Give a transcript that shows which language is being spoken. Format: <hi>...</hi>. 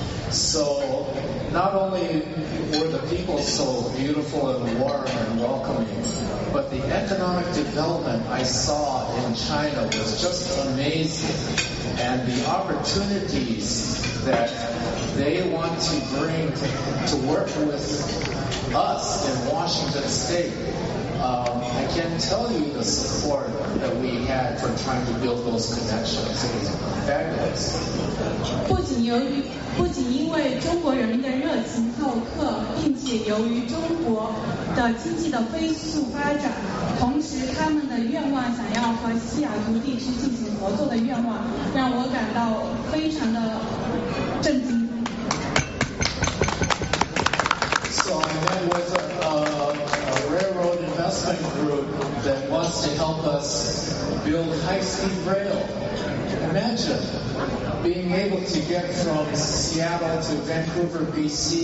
<en>So not only were the people so beautiful and warm and welcoming, but the economic development I saw in China was just amazing, and the opportunities that they want to bring to work with us in Washington State. I can tell you the support that we had for trying to build those connections. It was fabulous.</en> <zh>不仅因为中国人民的热情好客，并且由于中国的经济的飞速发展，同时他们的愿望想要和西雅图地区进行合作的愿望，让我感到非常的震惊。</zh> <en>So I met with a railroad investment group that wants to help us build high-speed rail. Imagine being able to get from Seattle to Vancouver, B.C.</en>